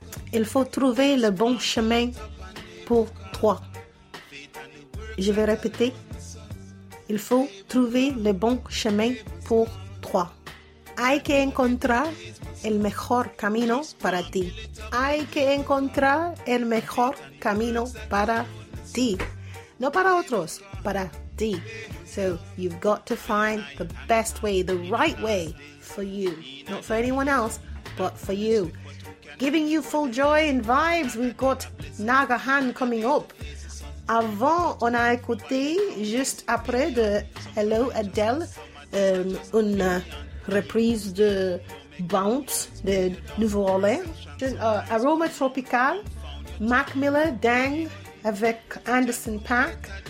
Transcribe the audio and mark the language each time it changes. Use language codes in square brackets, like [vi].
[fr] Il faut trouver le bon chemin pour toi. Je vais répéter. Il faut trouver le bon chemin pour toi. [es] Hay que encontrar el mejor camino para ti. Hay que encontrar el mejor camino para ti. No para otros, para ti. [en] So you've got to find the best way, the right way for you. Not for anyone else, but for you. Giving you full joy and vibes, we've got Nagahan coming up. [fr] Avant, on a écouté, juste après de Hello Adele, une reprise de Bounce de Nouveau Orleans. Aroma Tropical, Mac Miller, Dang, avec Anderson .Paak.